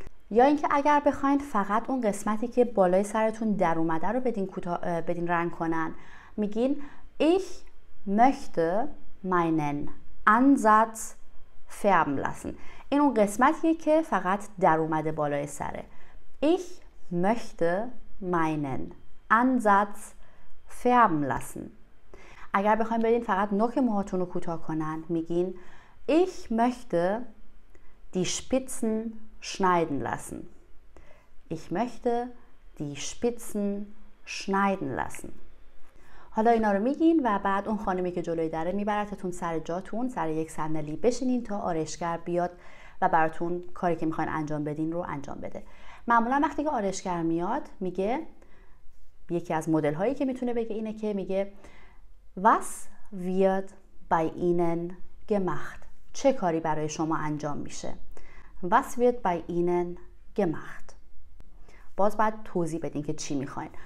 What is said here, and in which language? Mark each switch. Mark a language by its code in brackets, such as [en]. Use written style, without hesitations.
[fa] یا اینکه اگر بخواین فقط اون قسمتی که بالای سرتون در اومده رو بدین رنگ کنن، میگین [de] Ich möchte meinen Ansatz färben lassen. [fa] این اون قسمتیه که فقط در اومده بالای سره. [de] Ich möchte meinen Ansatz färben lassen. [fa] اگر بخواین بدین فقط نوک موهاتون رو کوتاه کنن، میگین [de] Ich möchte die Spitzen schneiden lassen. Ich möchte die Spitzen schneiden lassen. [fa] حالا اینا رو میگین و بعد اون خانمی که جلوی دره میبرتتون سر جاتون، سر یک صندلی بشینین تا آرایشگر بیاد و براتون کاری که میخواین انجام بدین رو انجام بده. معمولا وقتی که آرایشگر میاد میگه، یکی از مدل هایی که میتونه بگه اینه که میگه [de] Was wird bei Ihnen gemacht؟ [fa] چه کاری برای شما انجام میشه؟ Was wird bei Ihnen gemacht؟ باز باید توضیح بدین که چی میخواین.